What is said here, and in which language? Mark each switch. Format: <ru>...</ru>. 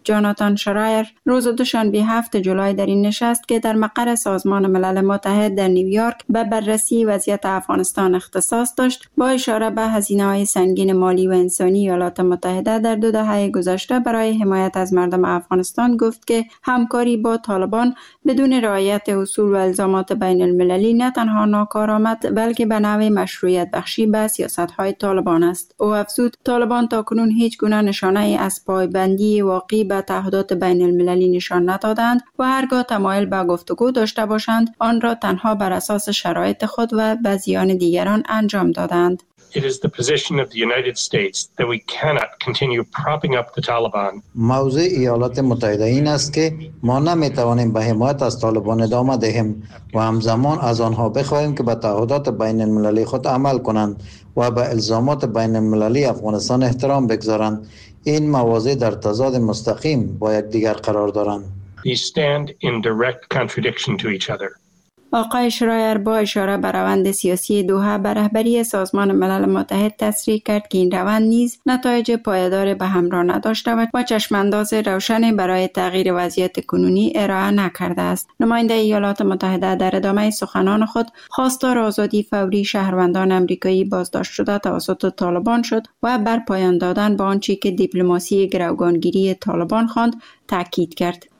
<fa>جاناتان شرایر روز دوشنبه 7 جولای در این نشست که در مقر سازمان ملل متحد در نیویورک به بررسی وضعیت افغانستان اختصاص داشت، با اشاره به هزینه‌های سنگین مالی و انسانی ایالات متحده در 2 دهه گذشته برای حمایت از مردم افغانستان، گفت که همکاری با طالبان بدون رعایت اصول و الزامات بین المللی نه تنها ناکارآمد بلکه به نوع مشروعیت بخشی به سیاست‌های طالبان است. او افزود: طالبان تاکنون هیچ گونه نشانه ای از پایبندی واقعی به تعهدات بین المللی نشان ندادند و هرگاه تمایل به گفتگو داشته باشند آن را تنها بر اساس شرایط خود و به زیان دیگران انجام دادند.</fa> <en>It is the position of the United States that we cannot continue propping up the Taliban.</en> <fa>موضع ایالات متحده این است که ما نمیتوانیم به حمایت از طالبان ادامه دهیم و همزمان از آنها بخواهیم که به تعهدات بین المللی خود عمل کنند و به الزامات بین المللی افغانستان احترام بگذارند. این مواضع در تضاد مستقیم با یک دیگر قرار دارند.</fa> <en>They stand in direct contradiction to each other.</en> <fa>آقای شرایر با اشاره به روند سیاسی دوحه به رهبری سازمان ملل متحد تصریح کرد که این روند نیز نتایج پایدار به همراه نداشته و چشمانداز روشنی برای تغییر وضعیت کنونی ارائه نکرده است. نماینده ایالات متحده در ادامه سخنان خود خواستار آزادی فوری شهروندان آمریکایی بازداشت شده توسط طالبان شد و بر پایان دادن به آنچه که دیپلماسی گروگانگیری طالبان خواند تاکید کرد.</fa>